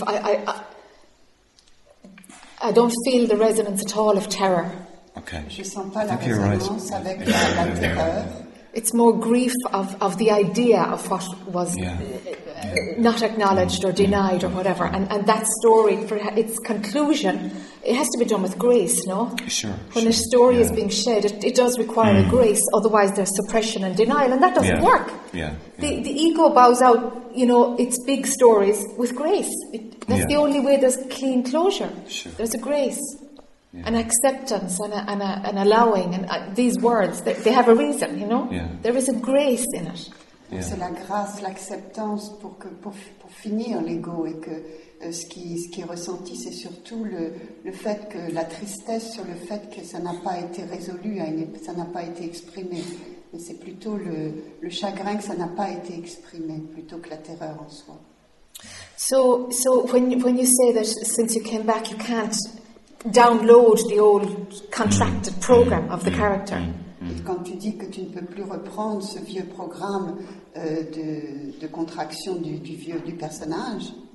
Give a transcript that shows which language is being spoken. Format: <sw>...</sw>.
<en>I don't feel the resonance at all of terror. Okay.</en> <fr>Je sens pas la résonance avec la terreur.</fr> <en>It's more grief of the idea of what was not acknowledged or denied or whatever. And that story, for its conclusion, it has to be done with grace, no? Sure. A story is being shed, it does require a grace, otherwise there's suppression and denial, and that doesn't work. Yeah. The ego bows out, you know, its big stories with grace. That's the only way there's clean closure. Sure. There's a grace. Yeah. An acceptance and an allowing, and these words, they have a reason, you know. Yeah. There is a grace in it. Yeah.</en> <fr>C'est la grâce, l'acceptance pour finir l'ego, et que ce qui est ressenti, c'est surtout le fait que la tristesse sur le fait que ça n'a pas été résolu, ça n'a pas été exprimé. Mais c'est plutôt le chagrin que ça n'a pas été exprimé, plutôt que la terreur en soi.</fr> <en>So when you say that since you came back, you can't download the old contracted program of the character.</en> <fr>Et quand tu dis que tu ne peux plus reprendre ce vieux programme de contraction du vieux du personnage.</fr>